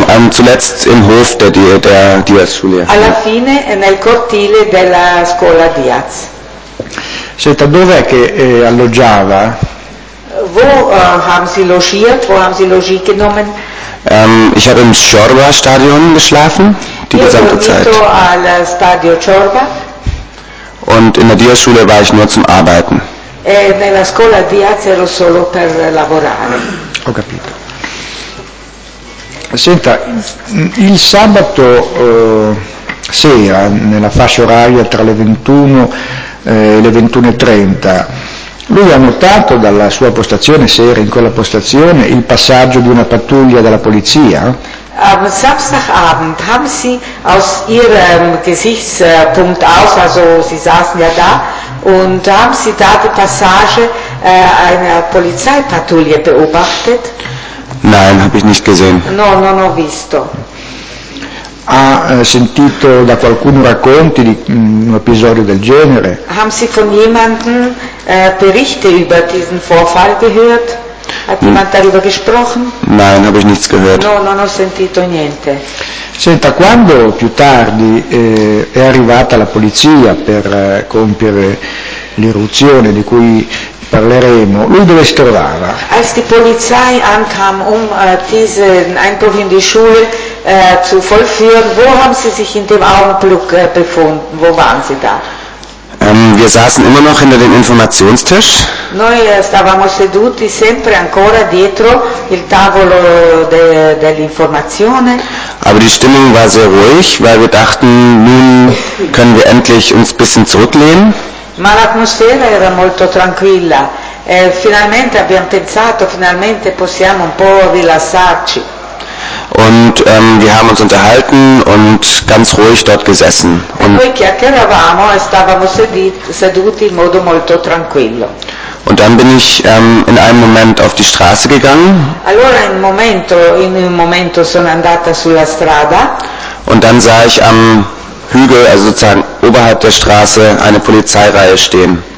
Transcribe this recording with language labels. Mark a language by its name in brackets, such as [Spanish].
[German] Zuletzt im Hof der Diaz-Schule. [Italian] Alla fine nel cortile della scuola Diaz. Senta, dov'è che alloggiava? [German] Wo haben Sie logiert genommen? Ich habe im Chorba-Stadion geschlafen, die gesamte Zeit. [Italian] Io ho dormito al Stadio Chorba. [German] Und in der Diaz-Schule war ich nur zum Arbeiten. [Italian] E nella scuola Diaz ero solo per lavorare. Ho capito. Senta, il sabato sera, nella fascia oraria tra le 21 e le 21.30, lui ha notato dalla sua postazione, se era in quella postazione, il passaggio di una pattuglia della polizia? [German] Am Samstagabend haben Sie aus Ihrem Gesichtspunkt aus, also Sie saßen ja da, und haben Sie da die Passage einer Polizeipatrouille beobachtet? Nein, habe ich nicht gesehen. [Italian] No, non ho visto. Ha sentito da qualcuno racconti di un episodio del genere? [German] Haben Sie von jemandem Berichte über diesen Vorfall gehört? Hat jemand darüber gesprochen? Nein, habe ich nichts gehört. [Italian] No, non ho sentito niente. Senta, quando più tardi è arrivata la polizia per compiere l'irruzione di cui parleremo, lui dove si trovava? [German] Als die Polizei ankam, diesen Einbruch in die Schule zu vollführen, wo haben Sie sich in dem Augenblick befunden? Wo waren Sie da? Wir saßen immer noch hinter dem Informationstisch. [Italian] Noi stavamo seduti sempre ancora dietro il tavolo dell'informazione. [German] Aber die Stimmung war sehr ruhig, weil wir dachten, nun können wir endlich uns ein bisschen zurücklehnen. [Italian] Ma l'atmosfera era molto tranquilla. Finalmente abbiamo pensato, finalmente possiamo un po' rilassarci. [German] Und wir haben uns unterhalten und ganz ruhig dort gesessen. Und [Italian] poi chiacchieravamo e stavamo seduti in modo molto tranquillo. [German] Und dann bin ich in einem Moment auf die Straße gegangen. [Italian] Allora in un momento sono andata sulla strada. [German] Und dann sah ich am Hügel, also sozusagen oberhalb der Straße, eine Polizeireihe stehen.